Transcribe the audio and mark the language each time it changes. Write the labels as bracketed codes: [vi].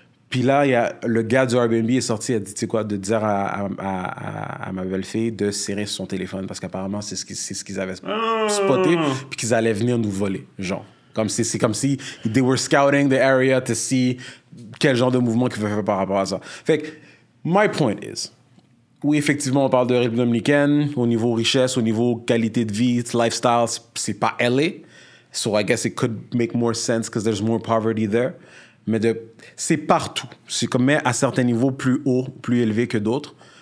[fr] Puis là, il y a le gars du Airbnb est sorti, a dit, tu sais quoi, de dire à ma belle-fille de serrer son téléphone parce qu'apparemment, c'est ce qu'ils avaient spoté puis qu'ils allaient venir nous voler, genre. Comme si, c'est comme si [en] they were scouting the area to see [fr] quel genre de mouvement qu'ils veulent faire par rapport à ça. Fait que, [en] my point is, [fr] oui, effectivement, on parle de République dominicaine, au niveau richesse, au niveau qualité de vie, lifestyle, c'est pas LA. [en] So I guess it could make more sense because there's more poverty there. [fr] Mais c'est partout. C'est comme à certains niveaux plus haut, plus élevé que d'autres.